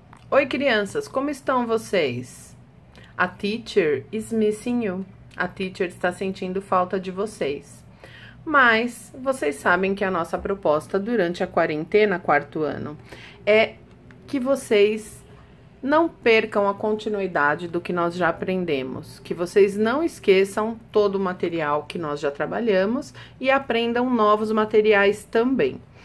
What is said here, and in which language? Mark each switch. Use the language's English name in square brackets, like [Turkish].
[Portuguese] Oi crianças, como estão vocês? [English] A teacher is missing you. [Portuguese] A teacher está sentindo falta de vocês. Mas vocês sabem que a nossa proposta durante a quarentena, quarto ano, é que vocês não percam a continuidade do que nós já aprendemos, que vocês não esqueçam todo o material que nós já trabalhamos e aprendam novos materiais também.